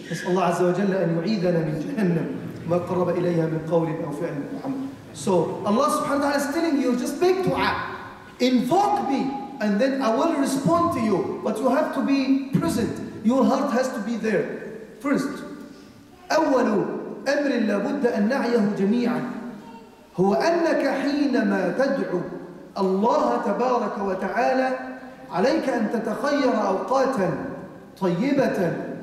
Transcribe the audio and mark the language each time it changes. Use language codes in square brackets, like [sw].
[ar] نسأل الله عز وجل أن يعيذنا من جهنم ما قرب إليها من قول أو فعل محمد. [en] So Allah subhanahu wa ta'ala is telling you, just make dua, invoke me, and then I will respond to you. But you have to be present. Your heart has to be there. First, [ar] أول أمر لا بد أن نعيه جميعا هو أنك حينما تدعو الله تبارك وتعالى عليك أن تتخير أوقاتا طيبة.